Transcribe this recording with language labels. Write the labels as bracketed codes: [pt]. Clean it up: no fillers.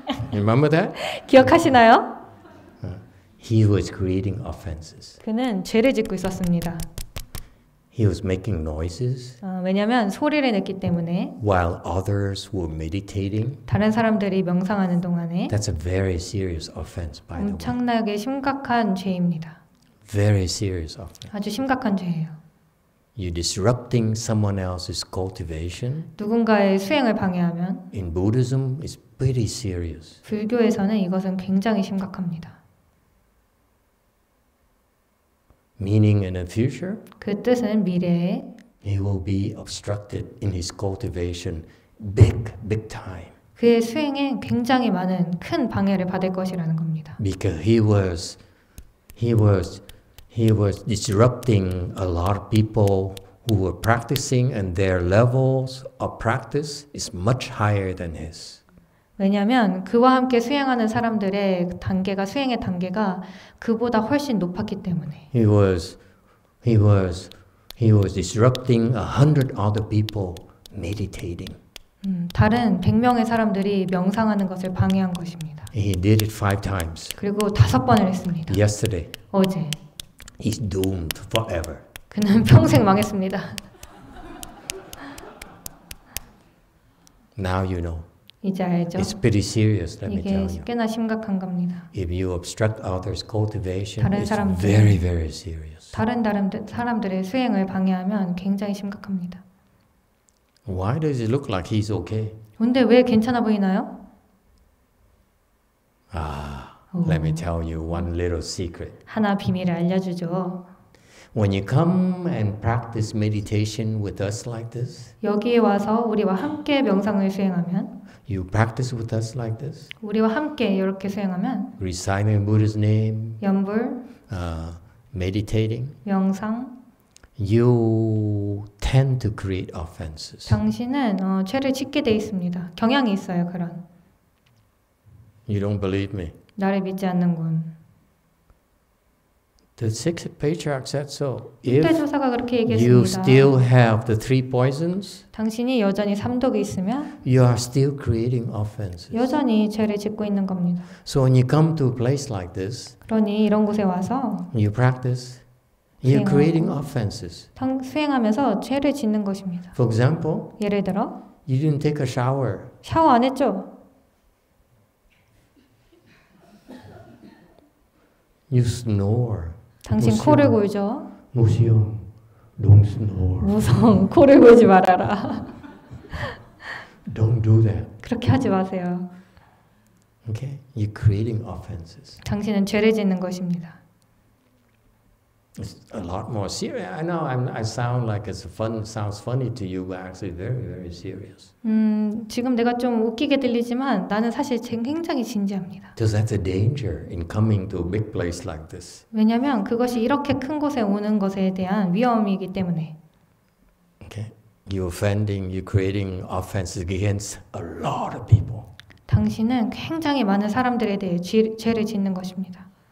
[en] Remember that? [ko] 기억하시나요? [en] He was creating offenses. [ko] 그는 죄를 짓고 있었습니다. [en] He was making noises. [ko] 왜냐하면 소리를 냈기 때문에. [en] While others were meditating. [ko] 다른 사람들이 명상하는 동안에. [en] That's a very serious offense, by the way. [ko] 엄청나게 심각한 죄입니다. [en] Very serious offense. [ko] 아주 심각한 죄예요. [en] You disrupting someone else's cultivation. [ko] 누군가의 수행을 방해하면. [en] In Buddhism, it's pretty serious. [ko] 불교에서는 이것은 굉장히 심각합니다. [en] Meaning in the future. [ko] 그 뜻은 미래에. [en] he will be obstructed in his cultivation big time. [ko] 그의 수행에 굉장히 많은 큰 방해를 받을 것이라는 겁니다. [en] Because he was disrupting a lot of people who were practicing, and their levels of practice is much higher than his. [ko] 왜냐하면 그와 함께 수행하는 사람들의 단계가 수행의 단계가 그보다 훨씬 높았기 때문에. [en] He was disrupting 100 other people meditating. [ko] 다른 100명의 사람들이 명상하는 것을 방해한 것입니다. [en] He did it 5 times. [ko] 그리고 5번을 했습니다. [en] Yesterday. [ko] 어제. [en] He's doomed forever. [ko] 그는 평생 망했습니다. [en] Now you know. [ko] 이제 알죠. [en] It's pretty serious, let me tell you. [ko] 꽤나 심각한 겁니다. [en] If you obstruct others' cultivation, it's very, very serious. [ko] 다른 사람들의 수행을 방해하면 굉장히 심각합니다. [en] Why does it look like he's okay? [ko] 근데 왜 괜찮아 보이나요? [en] Let me tell you one little secret. [ko] 하나 비밀을 알려주죠. [en] When you come and practice meditation with us like this, [ko] 여기에 와서 우리와 함께 명상을 수행하면, [en] you practice with us like this, [ko] 우리와 함께 이렇게 수행하면, [en] reciting Buddha's name, [ko] 연불, [en] meditating, [ko] 명상, [en] you tend to create offenses. [ko] 당신은 죄를 짓게 돼 있습니다. 경향이 있어요, 그런. [en] You don't believe me. [ko] 나를 믿지 않는군. [en] The sixth patriarch said so. If [ko] 조사가 그렇게 얘기했습니다. [en] You still have the three poisons, [ko] 당신이 여전히 삼독이 있으면, [en] you are still creating offenses. [ko] 여전히 죄를 짓고 있는 겁니다. [en] So when you come to a place like this, [ko] 그러니 이런 곳에 와서, [en] you practice, you're creating offenses. [ko] 수행하면서 죄를 짓는 것입니다. [en] For example, [ko] 예를 들어, [en] you didn't take a shower. [ko] 샤워 안 했죠? [en] You snore. [ko] 당신 무시오. 코를 골죠. 무시오. [en] Don't snore. [ko] 무성. 코를 골지 말아라. [en] Don't do that. [ko] 그렇게 하지 마세요. [en] Okay? You're creating offenses. [ko] 당신은 죄를 짓는 것입니다. [en] It's a lot more serious. I know I sound like it's fun, sounds funny to you, but actually very, very serious. [ko] 지금 내가 좀 웃기게 들리지만 나는 사실 굉장히 진지합니다. [en] So that's a danger in coming to a big place like this. [ko] 왜냐하면 그것이 이렇게 큰 곳에 오는 것에 대한 위험이기 때문에. [en] Okay, you're offending, you're creating offenses against a lot of people. [ko] 당신은 굉장히 많은 사람들에 대해 죄를 짓는 것입니다.